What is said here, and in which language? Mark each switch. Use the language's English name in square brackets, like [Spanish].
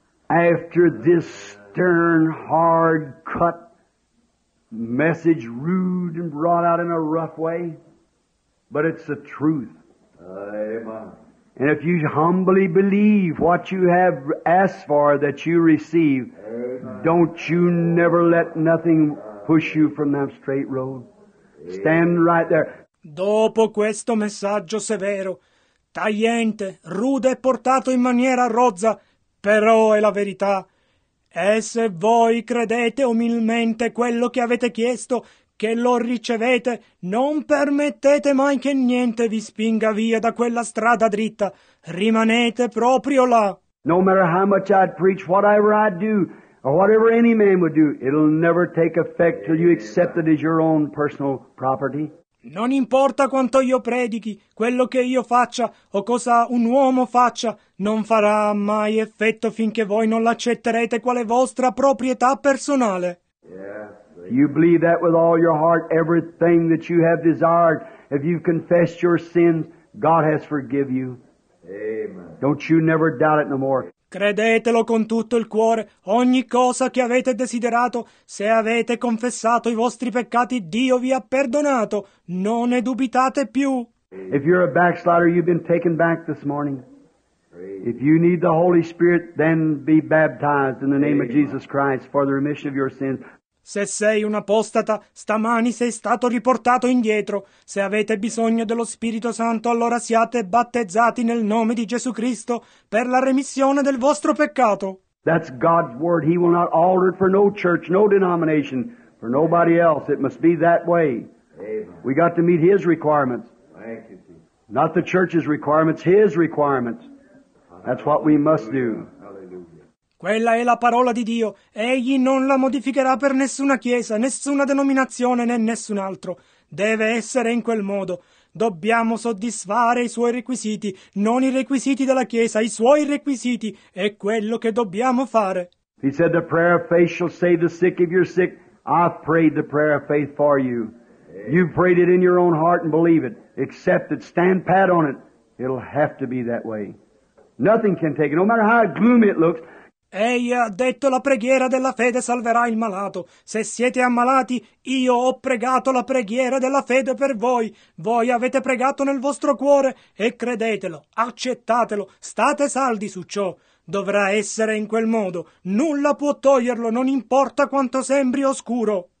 [English] After this stern, hard cut message, rude and brought out in a rough way, but it's the truth. Amen. And if you humbly believe what you have asked for that you receive, amen, don't you never let nothing push you from that straight road. Amen. Stand right there. [Italian] Dopo questo messaggio severo, tagliente, rude e portato in maniera rozza, però è la verità. E se voi credete umilmente quello che avete chiesto, che lo ricevete, non permettete mai che niente vi spinga via da quella strada dritta. Rimanete proprio là. [English] No matter how much I'd preach, whatever I'd do, or whatever any man would do, it'll never take effect till you accept it as your own personal property. [Italian] Non importa quanto io predichi, quello che io faccia o cosa un uomo faccia, non farà mai effetto finché voi non l'accetterete quale vostra proprietà personale. [English] You believe that with all your heart, everything that you have desired, if you've confessed your sins, God has forgiven you. Amen. Don't you never doubt it no more. [Italian] Credetelo con tutto il cuore, ogni cosa che avete desiderato, se avete confessato i vostri peccati, Dio vi ha perdonato, non ne dubitate più. [English] If you're a backslider, you've been taken back this morning. If you need the Holy Spirit, then be baptized in the name of Jesus Christ for the remission of your sins. [Italian] Se sei un apostata, stamani sei stato riportato indietro. Se avete bisogno dello Spirito Santo, allora siate battezzati nel nome di Gesù Cristo per la remissione del vostro peccato. [English] That's God's word. He will not alter it for no church, no denomination, for nobody else. It must be that way. Amen. We got to meet His requirements. Thank you, Jesus. Not the church's requirements, His requirements. That's what we must do. [Italian] Quella è la parola di Dio. Egli non la modificherà per nessuna chiesa, nessuna denominazione, né nessun altro. Deve essere in quel modo. dobbiamo soddisfare i suoi requisiti, non i requisiti della Chiesa, i suoi requisiti, è quello che dobbiamo fare. [English] He said the prayer of faith shall save the sick if you're sick. I've prayed the prayer of faith for you. You've prayed it in your own heart and believe it. Accept it. Stand pat on it. It'll have to be that way. Nothing can take it, no matter how gloomy it looks. [Italian] Egli ha detto la preghiera della fede salverà il malato. Se siete ammalati, io ho pregato la preghiera della fede per voi. Voi avete pregato nel vostro cuore e credetelo, accettatelo, state saldi su ciò. Dovrà essere in quel modo. Nulla può toglierlo, non importa quanto sembri oscuro.